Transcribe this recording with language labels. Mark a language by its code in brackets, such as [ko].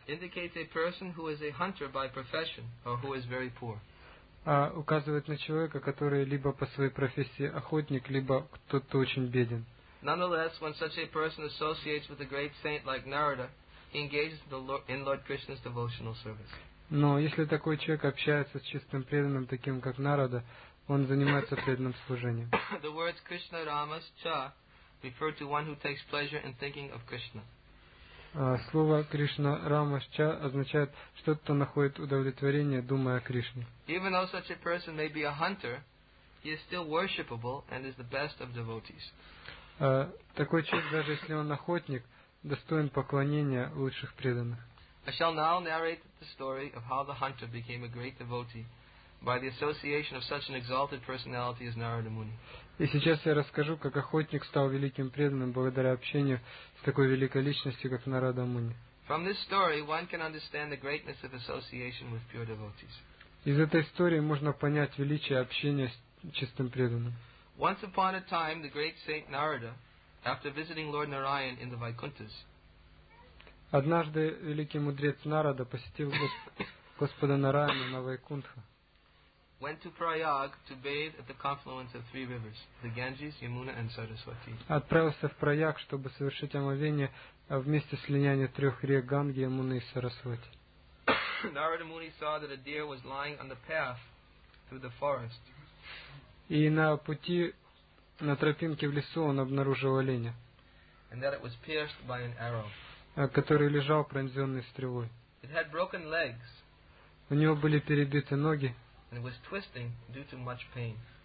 [en] indicates a person who is a hunter by profession or who is very poor. [ru] Указывает на человека, который либо по своей профессии охотник, либо кто-то очень беден. [en] Nonetheless, when such a person associates with a great saint like Narada, he engages in Lord Krishna's devotional service. [ru] Но если такой человек общается с чистым преданным, таким как Нарада, он занимается преданным служением. [en] The words Krishna Ramas Cha refer to one who takes pleasure in thinking of Krishna. [ru] Слово Кришна Рамашча означает, что кто-то находит удовлетворение, думая о Кришне. [en] Even though such a person may be a hunter, he is still worshipable and is the best of devotees. [ru] Такой человек, даже если он охотник, достоин поклонения лучших преданных. [en] I shall now narrate the story of how the hunter became a great devotee by the association of such an exalted personality as Narada Muni. [ru] И сейчас я расскажу, как охотник стал великим преданным благодаря общению с такой великой личностью, как Нарада Муни. [en] From this story, one can understand the greatness of association with pure devotees. [ru] Из этой истории можно понять величие общения с чистым преданным. [en] Once upon a time, the great saint Narada, after visiting Lord Narayan in the Vaikunthas, [ru] однажды великий мудрец Нарада посетил Господа Нараяна на Вайкунтха. [en] Went to Prayag to bathe at the confluence of 3 rivers, the Ganges, Yamuna, and Saraswati. [ru] Отправился в Прайаг, чтобы совершить омовение вместе с слиянием трех рек Ганги, Ямуны и Сарасвати. [en] Narada Muni saw that a deer was lying on the path through the forest. [ru] И на пути, на тропинке в лесу он обнаружил оленя. [en] And that it was pierced by an arrow. [ru] Который лежал пронзенный стрелой. [en] It had broken legs. [ru] У него были перебиты ноги. [en] And it was twisting due to much pain.